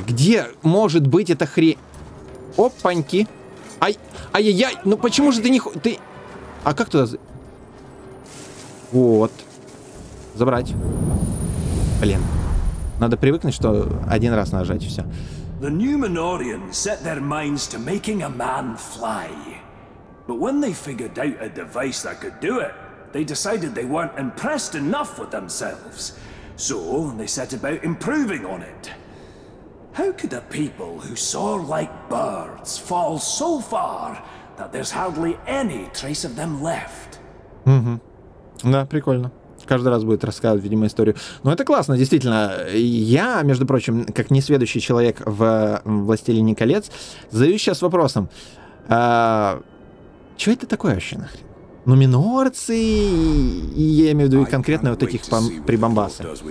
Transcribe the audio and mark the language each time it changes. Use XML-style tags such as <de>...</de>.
<ru>Где может быть эта хре... Опаньки. Ай, ай-яй-яй, ну почему же ты не... Ты... А как туда... Вот. Забрать. Блин. Надо привыкнуть, что один раз нажать, и все.</ru> <en>The Numenoreans set their minds to making a man fly. But when they figured out a device that could do it, they decided they weren't impressed enough with themselves. So they set about improving on it. How could a people who soar like birds fall so far that there's hardly any trace of them left?</en> <ru>Mm-hmm. Да, прикольно. Каждый раз будет рассказывать, видимо, историю. Но это классно, действительно. Я, между прочим, как несведущий человек в «Властелине колец», задаюсь сейчас вопросом. Чё это такое вообще нахрен? Нуменорцы, и я имею в виду конкретно вот этих прибамбасы.</ru>